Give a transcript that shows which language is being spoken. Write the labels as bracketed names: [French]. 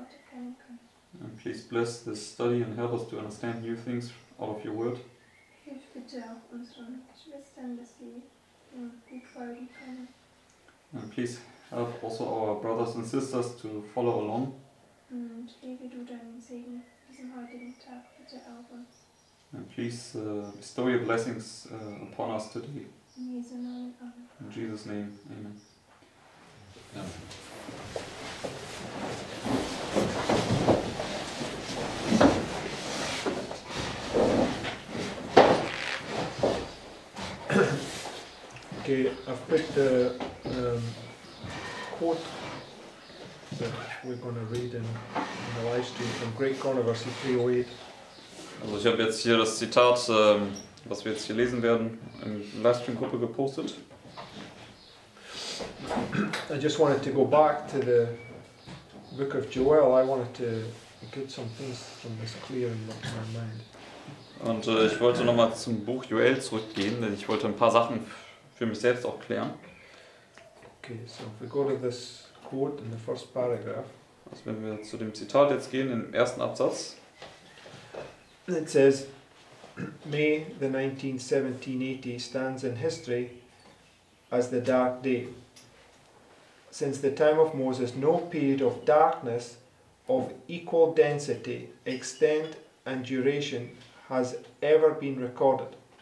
[English] And please bless this study and help us to understand new things out of your word. And please help also our brothers and sisters to follow along. [German] Und lege du deinen Segen diesen heutigen Tag bitte auf uns. [English] And please bestow your blessings upon us today. [German] In Jesu Namen, Amen. [English] In Jesus' name, Amen. Amen. Okay, I've picked a quote that we're going to read in the live stream from Great Controversy 308. [German] Also ich habe jetzt hier das Zitat, was wir jetzt hier lesen werden, in der Livestream-Gruppe gepostet. [English] I just wanted to go back to the book of Joel. I wanted to get some things from this clear in my mind. [German] Und ich wollte nochmal zum Buch Joel zurückgehen, denn ich wollte ein paar Sachen für mich selbst auch klären. [English] Okay, so if we go to this quote in the first paragraph. [German] Also wenn wir zu dem Zitat jetzt gehen, im ersten Absatz. [English] It says, May the 1917-80 stands in history as the dark day. Since the time of Moses, no period of darkness of equal density, extent and duration has ever been recorded.